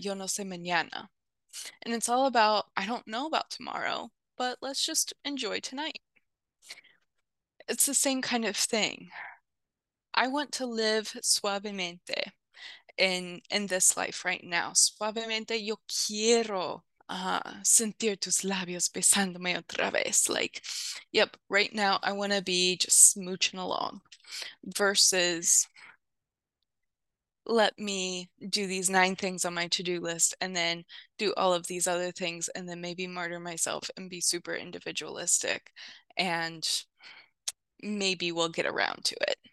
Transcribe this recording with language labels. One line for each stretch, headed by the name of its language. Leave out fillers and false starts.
Spanish: Yo no sé mañana.
English: And it's all about, I don't know about tomorrow, but let's just enjoy tonight. It's the same kind of thing. I want to live suavemente in this life right now.
Spanish: Suavemente, yo quiero. Sentir tus labios besándome otra vez.
English: Like, yep, right now I want to be just smooching along versus let me do these nine things on my to-do list and then do all of these other things and then maybe martyr myself and be super individualistic and maybe we'll get around to it.